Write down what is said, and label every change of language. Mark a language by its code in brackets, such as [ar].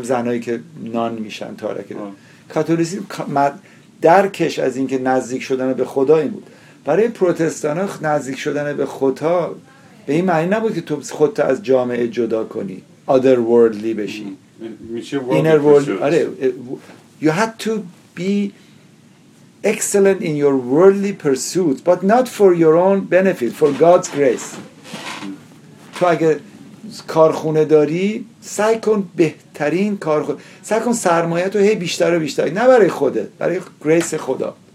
[fa] مثلا زنایی که نان میشن تارک دنیا. کاتولیسیزم درکش از این که نزدیک شدن به خدا این بود. برای پروتستان ها نزدیک شدن به خدا به این معنی نبود که تو خودت از جامعه جدا کنی، [en] other worldly [fa] بشی، [en] inner world. [fa] آره، [en] you had to be excellent in your worldly pursuits but not for your own benefit, for God's grace. [fa] تو اگه کارخونه داری سعی کن بهترین کارخونه، سعی کن سرمایه تو هی بیشتر و بیشتر، نه برای خودت، برای گریس خدا.